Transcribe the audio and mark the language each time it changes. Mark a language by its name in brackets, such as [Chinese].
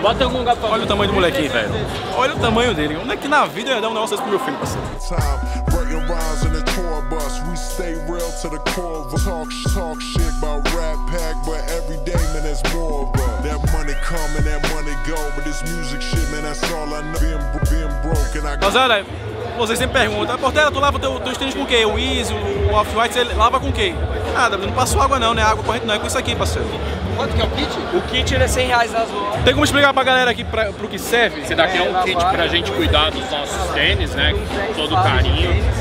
[Portuguese] Bota algum lugar pra mim. Olha o tamanho do molequinho, velho. Olha o tamanho dele. Onde é que na vida eu ia dar um negócio desse pro meu filho, parceiro? [English] Rhymes in the tour bus, we stay real to the core of us. Talk shit about Rat Pack, but every day, man, there's more of us. That money come and that money go, but this music shit, man, that's all I know. Being broke and I got... [Portuguese] Rosana, vocês sempre perguntam, Portela, tu lava teus tênis com o quê? O Easy, o Off-White, você lava com o quê? Nada, não passou água não, né? Água corrente não, é com isso aqui, parceiro. Quanto que é o kit? O kit ele é R$100 nas lojas. Tem como explicar pra galera aqui pro que serve? Esse daqui é um kit pra gente cuidar dos nossos tênis, né? Com todo carinho.